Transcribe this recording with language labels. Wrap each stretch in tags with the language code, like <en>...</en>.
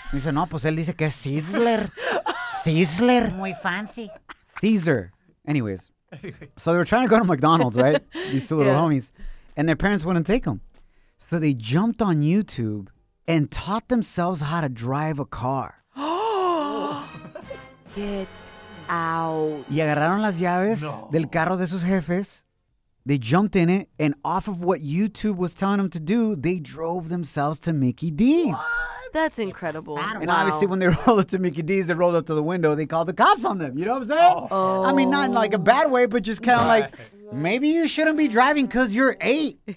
<en>He said,</en> <es>no, pues él dice que es Sizzler. Sizzler. Muy fancy.</es> <en>Caesar. Anyways. So they were trying to go to McDonald's, right? These two little homies. And their parents wouldn't take them. So they jumped on YouTube and taught themselves how to drive a car. Get out.</en> <es>Y agarraron las llaves del carro de sus jefes.</es> <en>They jumped in it, and off of what YouTube was telling them to do, they drove themselves to Mickey D's. What? That's incredible. And obviously, when they rolled up to Mickey D's, they rolled up to the window. They called the cops on them. You know what I'm saying? Oh. I mean, not in like a bad way, but just kind of like, maybe you shouldn't be driving because you're 8.</en>